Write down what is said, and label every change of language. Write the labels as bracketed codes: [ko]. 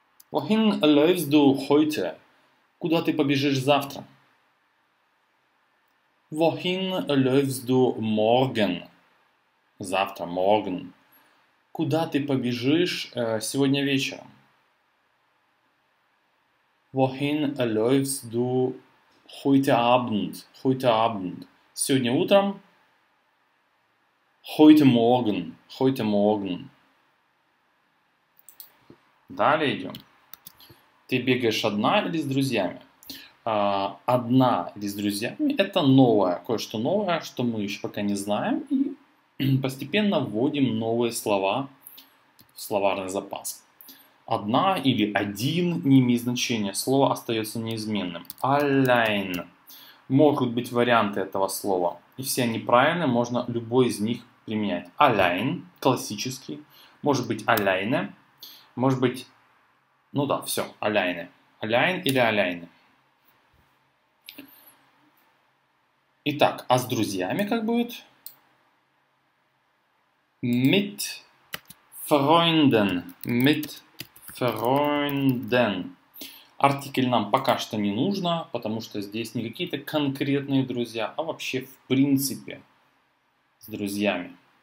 [de] Wohin läufst du heute? [ru] Куда ты побежишь завтра? [de] Wohin läufst du morgen? [ru] Завтра, [de] morgen. [ru] Куда ты побежишь сегодня вечером? [de] Wohin läufst du heute Abend? Heute Abend. [ru] Сегодня утром? [de] Heute Morgen. Heute Morgen. [ru] Далее идем. Ты бегаешь одна или с друзьями? Одна или с друзьями – это новое, кое-что новое, что мы еще пока не знаем. И постепенно вводим новые слова словарный запас. Одна или один не имеет значения. Слово остается неизменным. [de] Allein. [ru] Могут быть варианты этого слова. И все они правильные. Можно любой из них применять. Allein. Классический. Может быть alleine. Может быть... Ну да, все. [de] Alleine. Allein или alleine. [ru] Итак, а с друзьями как будет? [de] Mit Freunden. [ru] Артикль нам пока что не нужно, потому что здесь не какие-то конкретные друзья, а вообще в принципе с друзьями.